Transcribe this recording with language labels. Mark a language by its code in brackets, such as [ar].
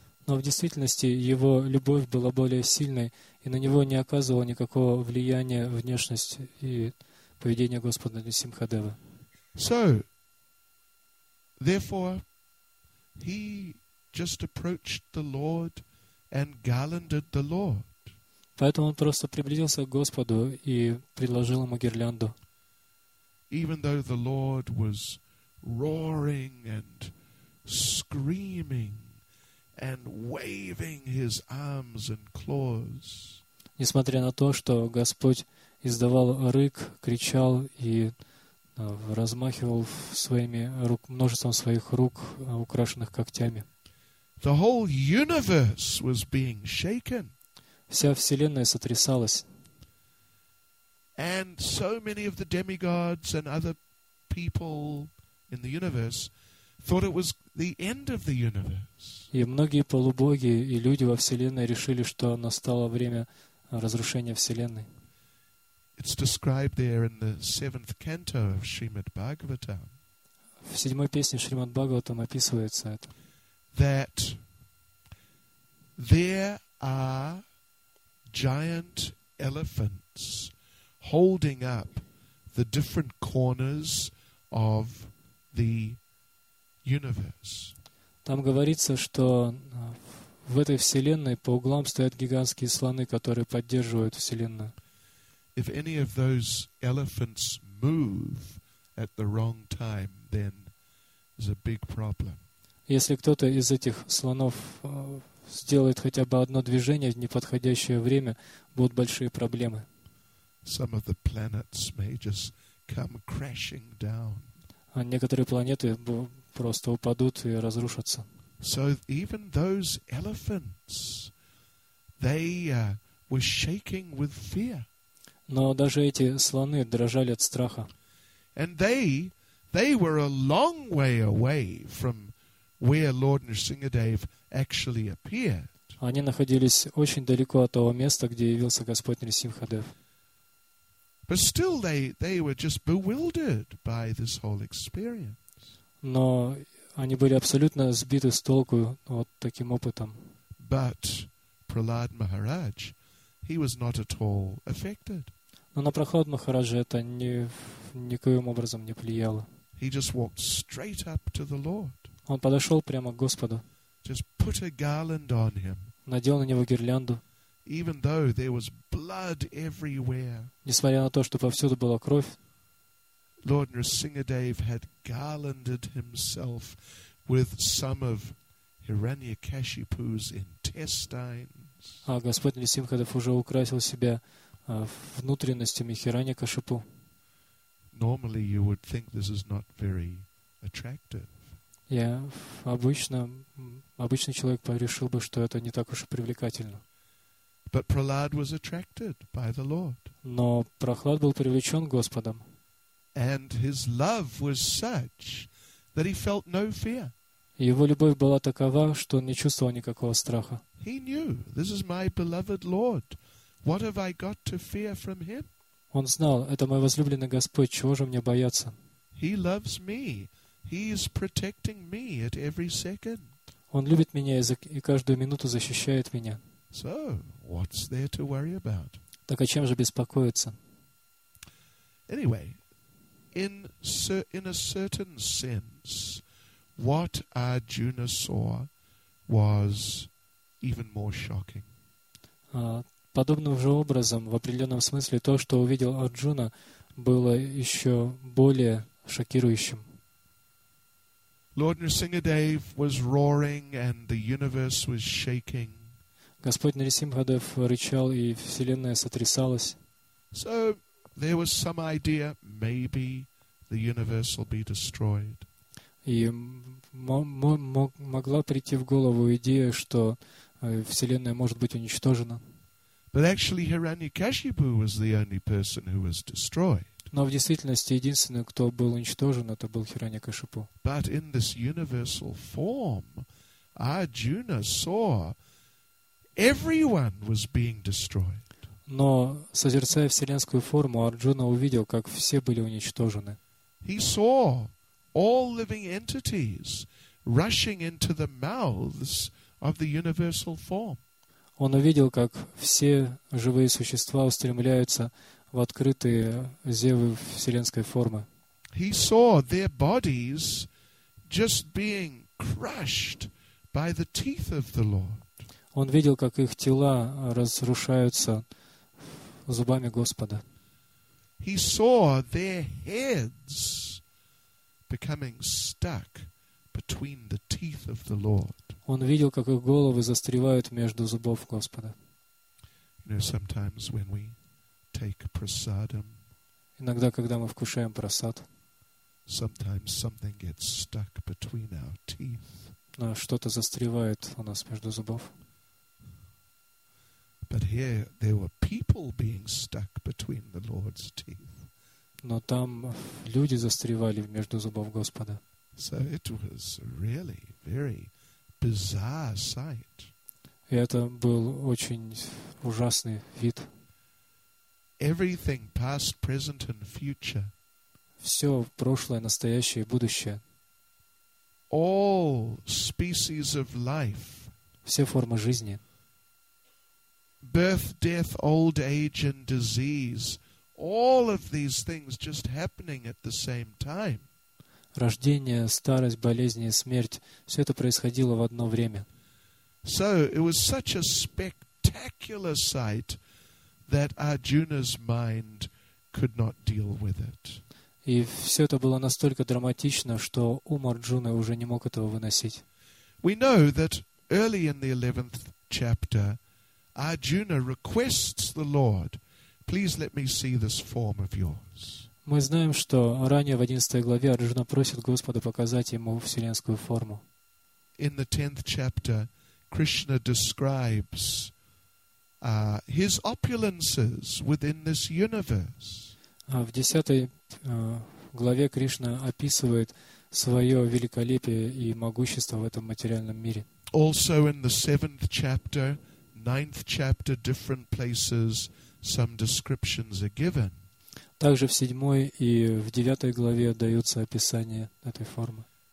[ru] Но в действительности его любовь была более сильной, и на него не оказывало никакого влияния внешность и поведение Господа Нрисимхадева. [en] So, therefore, he just approached the Lord and garlanded the Lord. [ru] Поэтому он просто приблизился к Господу и предложил ему гирлянду. [en] Even though the Lord was roaring and screaming and waving his arms and claws. [ru] Несмотря на то, что Господь издавал рык, кричал и размахивал своими рук, множеством своих рук, украшенных когтями. [en] The whole universe was being shaken. [ru] Вся вселенная сотрясалась. [en] And so many of the demigods and other people in the universe thought it was the end of the universe. [ru] И многие полубоги и люди во вселенной решили, что настало время разрушения вселенной. [en] It's described there in the seventh canto of Srimad Bhagavatam. [ru] В седьмой песне Шримад Бхагаватам описывается это. [en] That there are giant elephants holding up the different corners of the universe. [ru] Там говорится, что в этой вселенной по углам стоят гигантские слоны, которые поддерживают вселенную. [en] If any of those elephants move at the wrong time, then there's a big problem. [ru] Если кто-то из этих слонов сделает хотя бы одно движение в неподходящее время, будут большие проблемы. [en] Some of the planets may just come crashing down. [ru] А некоторые планеты просто упадут и разрушатся. [en] So even those elephants, they were shaking with fear. [ru] Но даже эти слоны дрожали от страха. [en] And they were a long way away from where Lord Nrsimhadev actually appeared. [ru] Они находились очень далеко от того места, где явился Господь Нрисимхадев. [en] But still they were just bewildered by this whole experience. [ru] Но они были абсолютно сбиты с толку вот таким опытом. [en] But Prahlad Maharaj, he was not at all affected. [ru] Но на Прохлад Махараджа это никоим образом не влияло. [en] He just walked straight up to the Lord. [ru] Он подошел прямо к Господу. [en] Just put a garland on him. [ru] Надел на него гирлянду. [en] Even though there was blood everywhere. [ru] Несмотря на то, что повсюду была кровь. [en] Lord Nrsimhadev had garlanded himself with some of Hiranyakashipu's intestines. [ru] А Господь Нрисимхадев уже украсил себя внутренностями Хираньякашипу. [en] Normally you would think this is not very attractive. [ru] Обычный человек решил бы, что это не так уж и привлекательно. [en] But Prahlad was attracted by the Lord. [ru] Но Прохлад был привлечен Господом. [en] And his love was such that he felt no fear. [ru] Его любовь была такова, что он не чувствовал никакого страха. [en] He knew this is my beloved Lord. What have I got to fear from him? [ru] Он знал, это мой возлюбленный Господь, чего же мне бояться? [en] He loves me. He is protecting me at every second. [ru] Он любит меня и каждую минуту защищает меня. [en] So, what's there to worry about? [ru] Так о чем же беспокоиться? [en] Anyway, in a certain sense, what Arjuna saw was even more shocking. [ru] Подобным же образом, в определенном смысле, то, что увидел Арджуна, было еще более шокирующим. [en] Lord Nrsimhadev was roaring, and the universe was shaking. [ru] Господь Нрисимхадев рычал, и вселенная сотрясалась. [en] So there was some idea, maybe the universe will be destroyed. [ru] И могла прийти в голову идея, что вселенная может быть уничтожена. [en] But actually, Hiranyakashipu was the only person who was destroyed. [ru] Но в действительности единственный, кто был уничтожен, это был Хираньякашипу. [en] But in this universal form, Arjuna saw everyone was being destroyed. [ru] Но созерцая вселенскую форму, Арджуна увидел, как все были уничтожены. [en] He saw all living entities rushing into the mouths of the universal form. [ru] Он увидел, как все живые существа устремляются в открытые зевы вселенской формы. [en] He saw their bodies just being crushed by the teeth of the Lord. [ru] Он видел, как их тела разрушаются зубами Господа. [en] He saw their heads becoming stuck between the teeth of the Lord. [ru] Он видел, как их головы застревают между зубов Господа. [en] You know, sometimes when we take prasadam, [ru] иногда, когда мы вкушаем просад, [en] sometimes something gets stuck between our teeth. [ru] Что-то застревает у нас между зубов. [en] But here there were people being stuck between the Lord's teeth. [ru] Но там люди застревали между зубов Господа. [en] So it was really very bizarre sight. [ru] И это был очень ужасный вид. [en] Everything past, present and future. [ru] Все прошлое, настоящее и будущее. [en] All species of life. [ru] Все формы жизни. [en] Birth, death, old age and disease. All of these things just happening at the same time. [ru] Рождение, старость, болезни и смерть. Все это происходило в одно время. [en] So it was such a spectacular sight that Arjuna's mind could not deal with it. [ru] И все это было настолько драматично, что ум Арджуны уже не мог этого выносить. [en] We know that early in the 11th chapter, Arjuna requests the Lord, please let me see this form of yours. [ru] Мы знаем, что ранее в 11 главе Арджуна просит Господа показать ему вселенскую форму. [en] In the 10th chapter, Krishna describes his opulences within this universe. [ru] В 10 главе Кришна описывает свое великолепие и могущество в этом материальном мире. [en] Also in the 7th chapter, 9th chapter, different places, some descriptions are given. [ru] Также в 7 и в 9 главе даются описания этой формы.